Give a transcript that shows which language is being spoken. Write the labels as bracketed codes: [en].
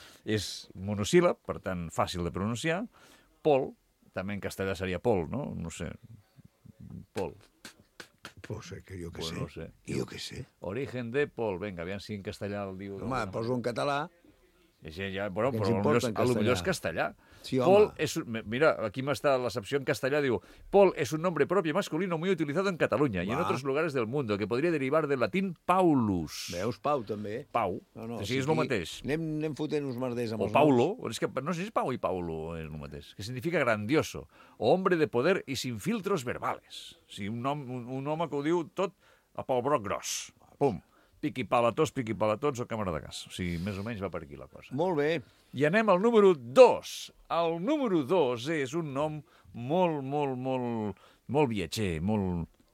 [ca] És monosíl·lab, per tant, fàcil de pronunciar. Pol, també en castellà seria Pol, no? No sé... Pol. Jo què sé. Origen de Pol. Vinga, aviam si en castellà el diu... Home, poso en català. Sí, ja, bueno, però potser és castellà. Sí, home. Pol és... Mira, aquí m'està l'excepció en castellà. Diu, Pol és un [es] nombre propi masculino muy utilizado en Catalunya y en otros lugares del mundo, que podría derivar del latín Paulus. [ca] Veus, Pau, també. Pau. No, o sigui, és el mateix. Anem fotent uns merders amb o els Paulo. Noms. És que no sé si és Pau i Paulo és el mateix. [es] Que significa grandioso. O hombre de poder y sin filtros verbales. [ca] O sigui, un home que ho diu tot a Pau Broc gros. Pum. Piqui-pala-tots o càmera de gas. O sigui, més o menys va per aquí la cosa. Molt bé. I anem al número 2. El número 2 és un nom molt, molt, molt, molt viatger, molt...